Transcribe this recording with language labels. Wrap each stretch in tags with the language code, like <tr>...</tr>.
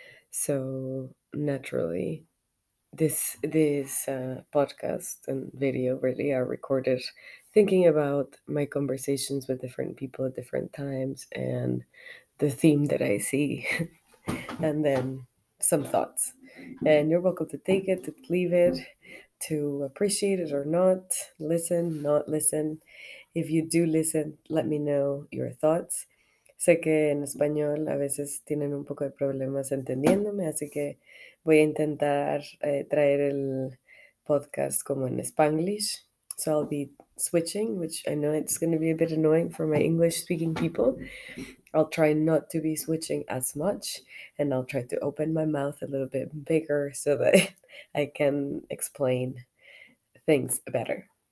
<en>So naturally, This podcast and video really are recorded thinking about my conversations with different people at different times and the theme that I see and then some thoughts. And you're welcome to take it, to leave it, to appreciate it or not, listen, not listen. If you do listen, let me know your thoughts.</en> <es>Sé que en español a veces tienen un poco de problemas entendiéndome, así que voy a intentar traer el podcast como en Spanglish.</es> <en>So I'll be switching, which I know it's going to be a bit annoying for my English-speaking people. I'll try not to be switching as much, and I'll try to open my mouth a little bit bigger so that I can explain things better.</en>